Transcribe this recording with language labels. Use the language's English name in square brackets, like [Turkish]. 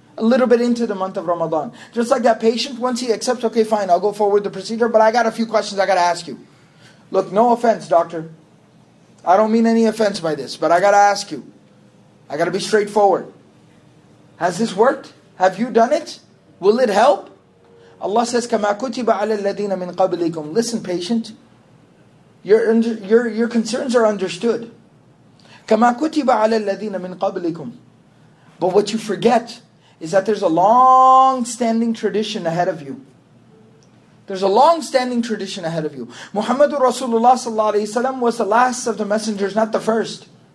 [English] A little bit into the month of Ramadan. Just like that patient, once he accepts, okay, fine, I'll go forward the procedure, but I got a few questions I got to ask you. Look, no offense, doctor. I don't mean any offense by this, but I got to ask you. I got to be straightforward. Has this worked? Have you done it? Will it help? Allah says, [Arabic] كَمَا كُتِبَ عَلَى الَّذِينَ مِنْ قَبْلِكُمْ. [English] Listen, patient. Your concerns are understood. [Arabic] كَمَا كُتِبَ عَلَى الَّذِينَ مِنْ قَبْلِكُمْ. [English] But what you forget is that there's a long-standing tradition ahead of you. There's a long-standing tradition ahead of you. Muhammadur Rasulullah sallallahu alayhi wa sallam was the last of the messengers, not the first.